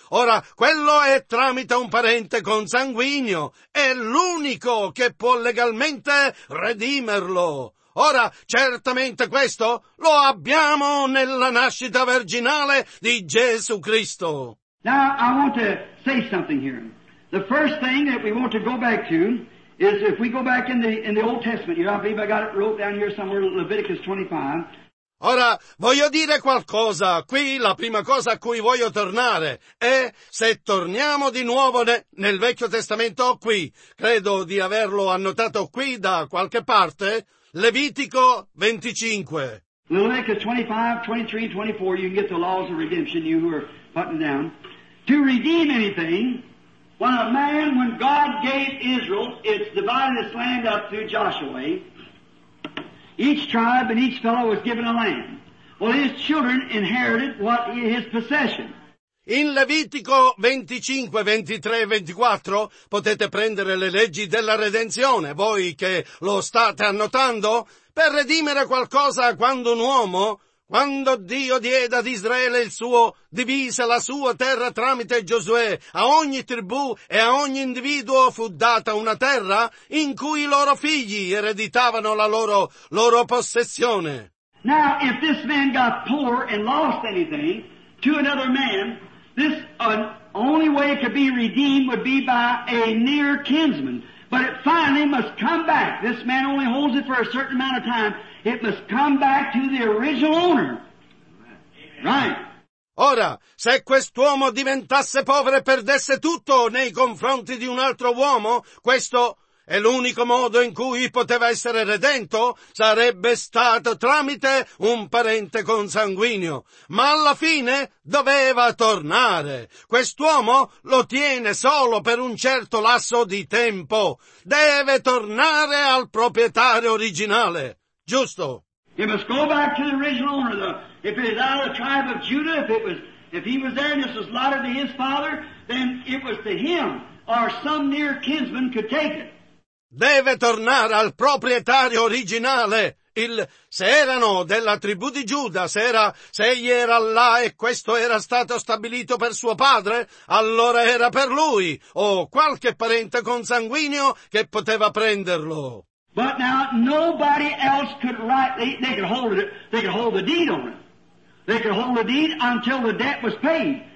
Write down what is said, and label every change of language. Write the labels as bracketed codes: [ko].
[it] Ora, quello è tramite un parente consanguigno. È l'unico che può legalmente redimerlo. Ora, certamente questo lo abbiamo nella nascita virginale di Gesù Cristo. [en] Now, I want to say something here. The first thing that we want to go back to is if we go back in the Old Testament here, I believe I got it wrote down here somewhere, Leviticus 25. [it] Ora, voglio dire qualcosa. Qui la prima cosa a cui voglio tornare è se torniamo di nuovo nel Vecchio Testamento qui. Credo di averlo annotato qui da qualche parte. Levitico 25. [en] Leviticus 25, 23, 24, you can get the laws of redemption, you who are putting down. To redeem anything, when God gave Israel, it's divided this land up through Joshua. Each tribe and each fellow was given a land. Well, his children inherited what his possession. [it] In Levitico 25, 23 e 24 potete prendere le leggi della redenzione, voi che lo state annotando, per redimere qualcosa quando un uomo... Quando Dio diede ad Israele il suo, divise la sua terra tramite Giosuè, a ogni tribù e a ogni individuo fu data una terra in cui i loro figli ereditavano la loro possessione. [en] Now, if this man got poor and lost anything to another man, This only way it could be redeemed would be by a near kinsman. But it finally must come back. This man only holds it for a certain amount of time. It must come back to the original owner. Right. [it] Ora, se quest'uomo diventasse povero e perdesse tutto nei confronti di un altro uomo, questo è l'unico modo in cui poteva essere redento, sarebbe stato tramite un parente consanguigno. Ma alla fine doveva tornare. Quest'uomo lo tiene solo per un certo lasso di tempo. Deve tornare al proprietario originale. Giusto? [en] He must go back to the original owner. If it is out of the tribe of Judah, if he was there and this was allotted to his father, then it was to him, or some near kinsman could take it. [it] Deve tornare al proprietario originale. Se erano della tribù di Giuda, se egli era là e questo era stato stabilito per suo padre, allora era per lui, o qualche parente consanguigno che poteva prenderlo. [en] But now nobody else could rightly, they could hold it, they could hold the deed on it. They could hold the deed until the debt was paid.